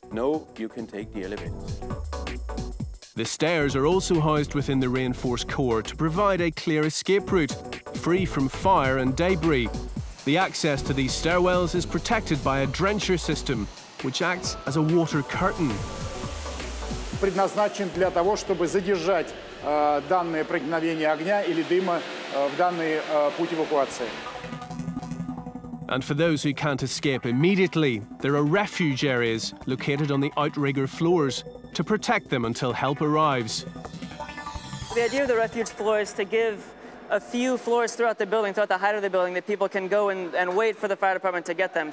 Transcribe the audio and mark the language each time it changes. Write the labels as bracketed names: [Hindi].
[English] No, you can take the elevator. The stairs are also housed within the reinforced core to provide a clear escape route, free from fire and debris. The access to these stairwells is protected by a drencher system, which acts as a water curtain. [Russian] Предназначен для того, чтобы задержать данное проникновение огня или дыма в данный путь эвакуации. [English] And for those who can't escape immediately, there are refuge areas located on the outrigger floors to protect them until help arrives. The idea of the refuge floor is to give a few floors throughout the building, throughout the height of the building, that people can go and wait for the fire department to get them.